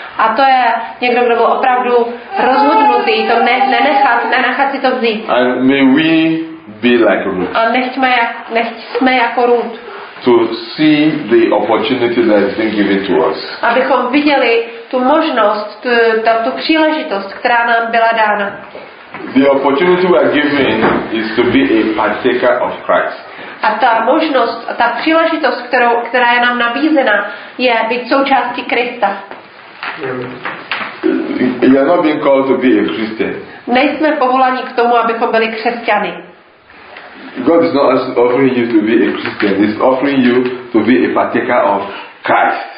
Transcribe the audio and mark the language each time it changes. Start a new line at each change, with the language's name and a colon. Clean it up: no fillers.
Czech: A to je někdo, kdo byl opravdu rozhodnutý to nenechat si to vzít.
English: And may we be like Ruth.
Czech: A nechť jsme jako Ruth.
English: To see the opportunity that has been given to us.
Czech: Abychom viděli tu možnost, tu příležitost, která nám byla dána.
English: The opportunity we are given is to be a partaker of Christ.
Czech: A ta možnost, ta příležitost, která je nám nabízena, je být součástí Krista.
English: You are not being called to be a Christian.
Czech: Nejsme povoláni k tomu, abychom byli křesťany.
English: God is not offering you to be a Christian. He's offering you to be a partaker of Christ.